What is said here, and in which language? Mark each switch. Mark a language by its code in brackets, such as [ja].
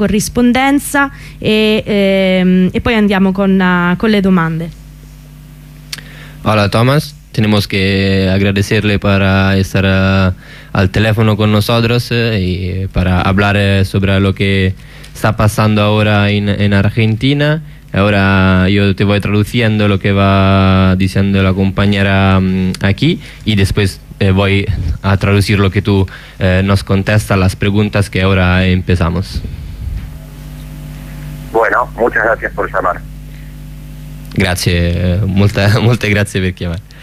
[it] corrispondenza e poi andiamo con le domande. [es] Hola Thomas, tenemos que agradecerle para estar al teléfono con nosotros y para hablar sobre lo que está pasando ahora en Argentina. Ahora yo te voy traduciendo lo que va diciendo la compañera aquí y después voy a traducir lo que tú nos contestas las preguntas que ahora empezamos. Bueno, muchas gracias por llamar. [it] Grazie, molte grazie per chiamare.